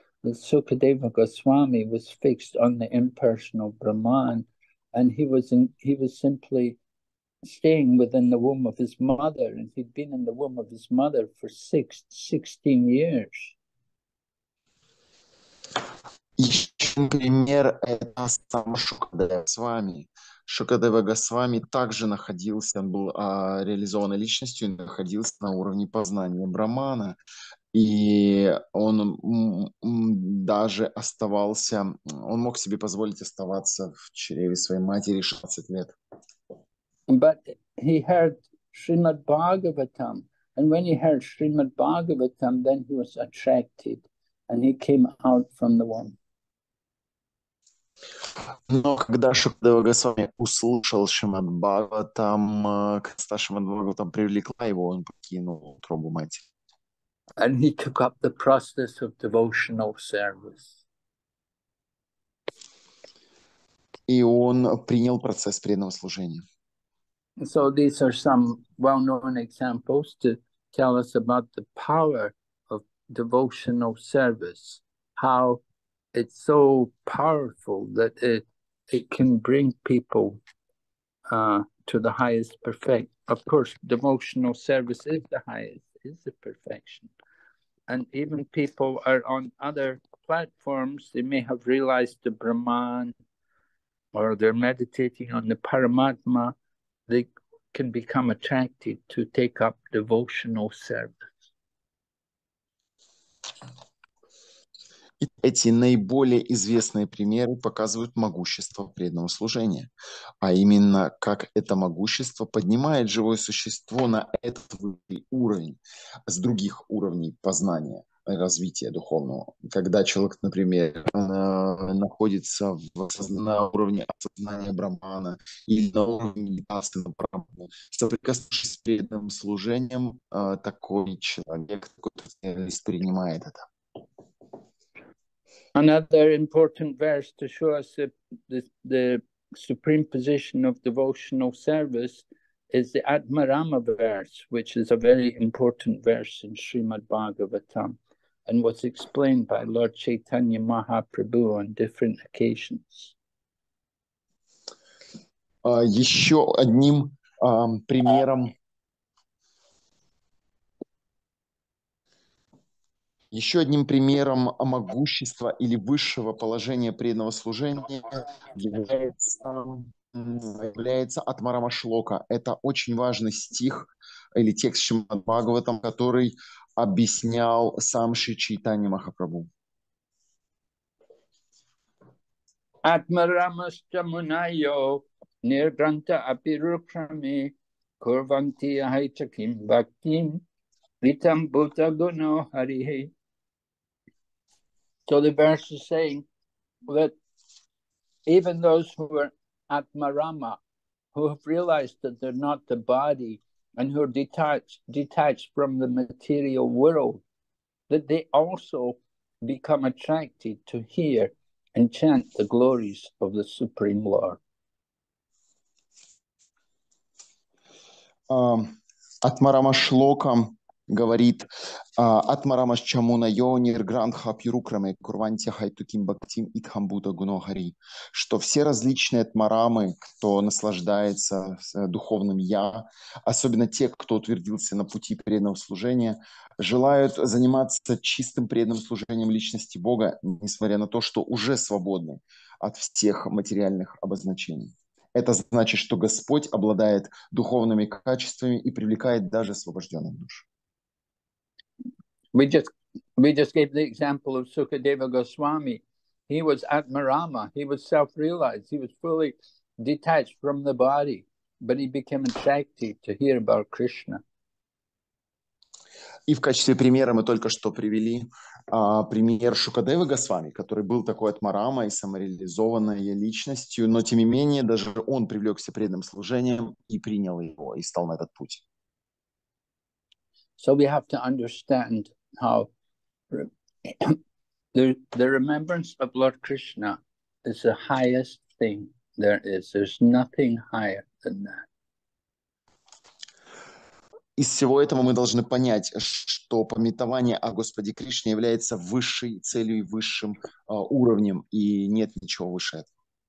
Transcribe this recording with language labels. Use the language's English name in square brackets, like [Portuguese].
[English] Sukadeva Goswami was fixed on the impersonal Brahman, and he was simply staying within the womb of his mother, and he'd been in the womb of his mother for 16 years. [Russian] Еще Например, это сам Шукадева с вами. Шукадева Госвами также находился, он был реализованной личностью, находился на уровне познания Брахмана. И он даже оставался, он мог себе позволить оставаться в чреве своей матери 16 лет. [English] But he heard Srimad Bhagavatam, and when he heard Srimad Bhagavatam, then he was attracted, and he came out from the womb. [Russian] Но когда Шукадева Госвами услышал Шримад Бхагаватам, когда Шримад Бхагаватам привлекла его, он покинул утробу матери. [English] And he took up the process of devotional service. [Russian] И он принял процесс преданного служения. [English] So these are some well-known examples to tell us about the power of devotional service, how it's so powerful that it can bring people to the highest perfect. Of course, devotional service is the highest, is the perfection. And even people are on other platforms, they may have realized the Brahman, or they're meditating on the Paramatma, they can become attracted to take up devotional service. [Russian] Эти наиболее известные примеры показывают могущество преданного служения, а именно как это могущество поднимает живое существо на этот уровень с других уровней познания, развития духовного. Когда человек, например, находится на уровне осознания Брахмана или на уровне медитации на Брахмана, соприкоснувшись с преданным служением, такой человек, такой специалист принимает это. [English] Another important verse to show us the supreme position of devotional service is the Atmarama verse, which is a very important verse in Srimad Bhagavatam and was explained by Lord Chaitanya Mahaprabhu on different occasions. [Russian] Еще одним примером. Еще одним примером могущества или высшего положения преданного служения является Атмарама Шлока. Это очень важный стих или текст Шримад Бхагаватам, который объяснял сам Шри Чайтанья Махапрабху. [Sanskrit] Атмарама Шамунайо Нирганта Апирукрами Курванти Ахайчаким Бхактим Витам Бута Гуно Харихи. [English] So the verse is saying that even those who are Atmarama, who have realized that they're not the body and who are detached from the material world, that they also become attracted to hear and chant the glories of the Supreme Lord. [Russian] Atmarama Shlokam говорит [Sanskrit] Атмарама Чамуна Йонир Грандха Пьюрукраме Курванти Хайтуким Бхактим Итхамбута Гунохари, [Russian] что все различные атмарамы, кто наслаждается духовным Я, особенно те, кто утвердился на пути преданного служения, желают заниматься чистым преданным служением личности Бога, несмотря на то, что уже свободны от всех материальных обозначений. Это значит, что Господь обладает духовными качествами и привлекает даже освобожденных душ. [English] We just gave the example of Sukadeva Goswami. He was Atmarama. He was self-realized. He was fully detached from the body, but he became attracted to hear about Krishna. [Russian] И в качестве примера мы только что привели пример Шукадевы Госвами, который был такой Атмарамой, самореализованной личностью, но тем не менее даже он привлекся преданным служением и принял его, и стал на этот путь. [English] So we have to understand how the remembrance of Lord Krishna is the highest thing there is. There's nothing higher than that. [Russian] Из всего этого мы должны понять, что памятование о Господе Кришне является высшей целью и высшим уровнем, и нет ничего выше этого.